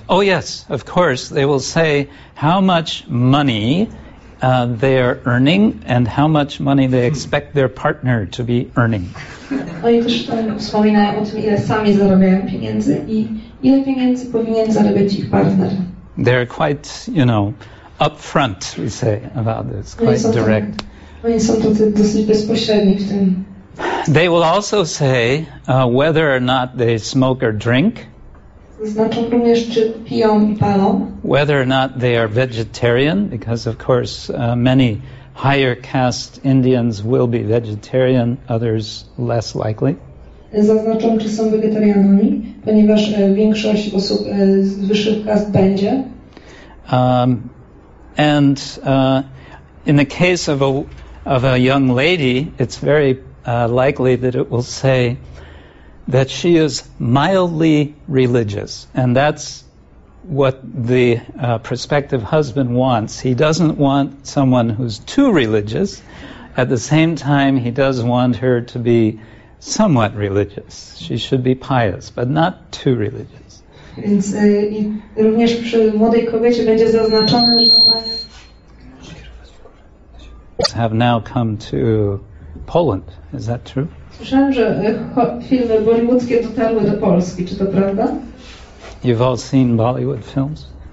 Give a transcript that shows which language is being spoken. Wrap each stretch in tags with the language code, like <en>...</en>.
<en>Oh yes, of course, they will say how much money they are earning and how much money they expect their partner to be earning.</en> <pl>Oni też tam wspominają o tym, ile sami zarabiają pieniędzy i ile pieniędzy powinien zarabiać ich partner.</pl> <en>They're quite, you know, upfront, we say, about this, quite direct.</en> <pl>Oni są tacy dosyć bezpośredni w tym.</pl> <en>They will also say whether or not they smoke or drink.</en> <pl>Znaczą również, czy piją i palą.</pl> <en>Whether or not they are vegetarian, because of course many higher caste Indians will be vegetarian, others less likely.</en> <pl>Zaznaczą, czy są wegetarianami, ponieważ większość osób z wyższych kast będzie.</pl> <en>And in the case of a young lady, it's very likely that it will say that she is mildly religious, and that's what the prospective husband wants. He doesn't want someone who's too religious. At the same time, he does want her to be somewhat religious. She should be pious, but not too religious.</en> <pl>Więc również przy młodej kobiecie będzie zaznaczone, że</pl> <en>have now come to Poland. Is that true?</en> <pl>Słyszałem, że filmy bollywoodzkie dotarły do Polski. Czy to prawda?</pl> <en>You've all seen Bollywood films?</en>